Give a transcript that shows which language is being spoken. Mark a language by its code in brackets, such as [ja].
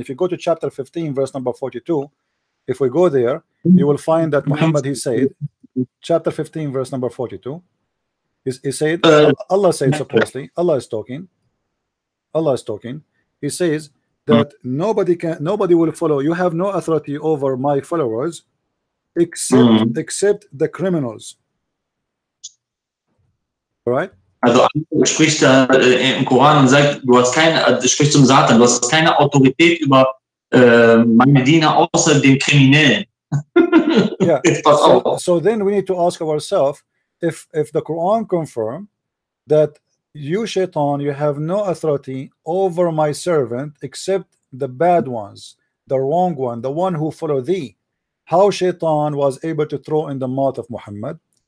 [en] If you go to chapter 15, verse number 42, if we go there, you will find that Muhammad, he said, chapter 15, verse number 42, he said, Allah said, supposedly, Allah is talking. He says that nobody will follow. You have no authority over my followers, except the criminals. All right. [de] Also, du sprichst da im Koran und sagt, du hast keine, du sprichst zum Satan, du hast keine Autorität über meine Diener außer den Kriminellen. [en] Yeah. So then we need to ask ourselves, if the Quran confirm that you, Shaitan, you have no authority over my servant except the bad ones, the wrong one, the one who follow thee, how Shaitan was able to throw in the mouth of Muhammad?